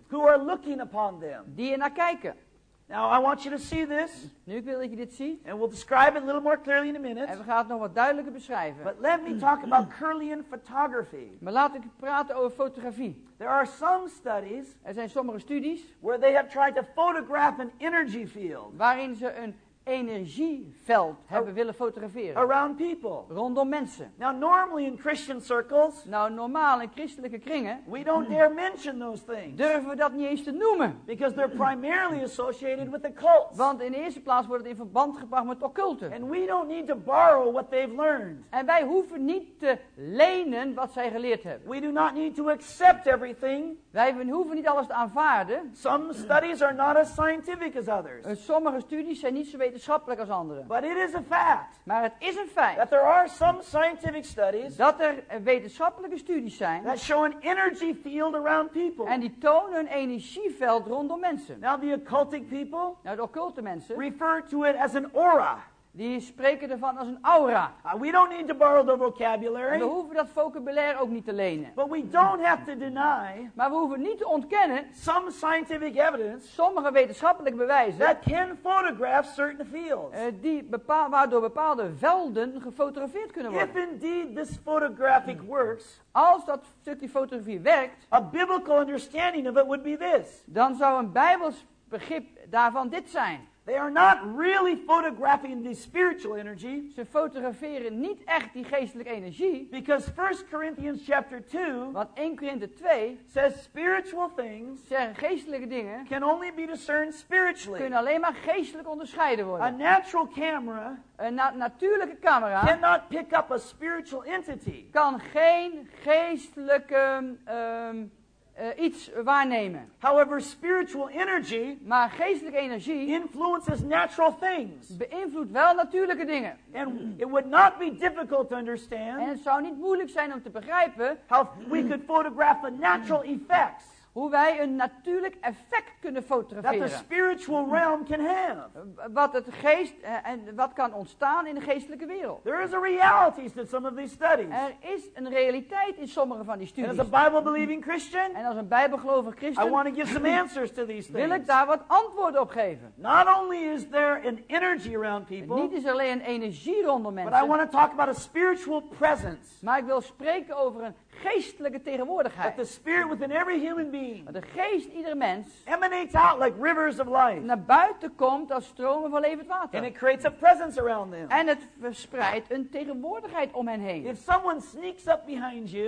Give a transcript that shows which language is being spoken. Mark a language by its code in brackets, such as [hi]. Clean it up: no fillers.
[en] who are looking upon them, [nl] die er naar kijken. [en] Now I want you to see this. [nl] Nu ik wil dat je dit ziet. [en] And we'll describe it a little more clearly in a minute. [nl] En we gaan het nog wat duidelijker beschrijven. [en] But let me talk about Curlian photography. [nl] Maar laat ik praten over fotografie. [en] There are some studies. [nl] Er zijn sommige studies. [en] Where they have tried to photograph an energy field. [nl] Waarin ze een energieveld hebben willen fotograferen. [en] Around people. [nl] Rondom mensen. [en] Now normally in Christian circles. [nl] Nou normaal in christelijke kringen. [en] We don't dare mention those things. [nl] Durven we dat niet eens te noemen. [en] Because they're primarily associated with the cult. [nl] Want in de eerste plaats wordt het in verband gebracht met occulten. [en] And we don't need to borrow what they've learned. [nl] En wij hoeven niet te lenen wat zij geleerd hebben. [en] We do not need to accept everything. [nl] Wij hoeven niet alles te aanvaarden. [en] Some studies are not as scientific as others. [nl] En sommige studies zijn niet zo wetenschappelijk als anderen. [en] But it is a fact. [nl] Maar het is een feit. [en] That there are some scientific studies. [nl] Dat er wetenschappelijke studies zijn. [en] That show an energy field around people. [nl] En die tonen een energieveld rondom mensen. [en] Now the occultic people. [nl] Nou de occulte mensen. [en] Refer to it as an aura. [nl] Die spreken ervan als een aura. [en] We don't need to borrow the vocabulary. [nl] En we hoeven dat vocabulaire ook niet te lenen. [en] But we don't have to deny. [nl] Maar we hoeven niet te ontkennen. [en] Some scientific evidence. [nl] Sommige wetenschappelijke bewijzen. [en] That can photograph certain fields. [nl] Waardoor bepaalde velden gefotografeerd kunnen worden. [en] If indeed this photographic works. [nl] Als dat stukje fotografie werkt. [en] A biblical understanding of it would be this. [nl] Dan zou een Bijbels begrip daarvan dit zijn. [en] They are not really photographing the spiritual energy. [nl] Ze fotograferen niet echt die geestelijke energie. [en] Because 1 Corinthians chapter 2. [nl] Want 1 Corinthians 2. [en] Says spiritual things. [nl] Zeggen geestelijke dingen. [en] Can only be discerned spiritually. [nl] Kunnen alleen maar geestelijk onderscheiden worden. [en] A natural camera. [nl] Een natuurlijke camera. [en] Cannot pick up a spiritual entity. [nl] Kan geen geestelijke iets waarnemen. [en] However, spiritual energy, [nl] maar geestelijke energie, [en] influences natural things. [nl] Beïnvloedt wel natuurlijke dingen. [en] And it would not be difficult to understand. [nl] En het zou niet moeilijk zijn om te begrijpen. [en] How we could photograph the natural effects. [nl] Hoe wij een natuurlijk effect kunnen fotograferen. [en] That the spiritual realm can have. [nl] Wat het geest en wat kan ontstaan in de geestelijke wereld. [en] There is a reality in some of these studies. [nl] Er is een realiteit in sommige van die studies. [en] And as a Bible-believing Christian, [nl] en als een Bijbelgelovig Christen, [en] I want to give some answers to these things. [nl] Wil ik daar wat antwoorden op geven. [en] Not only is there an energy around people, [nl] niet is er alleen een energie rondom mensen, [en] but I want to talk about a spiritual presence. [nl] Maar ik wil spreken over een geestelijke tegenwoordigheid. [en] That the spirit within every human being being. [nl] Maar de geest ieder mens [en] emanates out like rivers of life. [nl] Naar buiten komt als stromen van levend water. [en] And it creates a presence around them. [nl] En het verspreidt een tegenwoordigheid om hen heen. [en] If someone sneaks up behind you,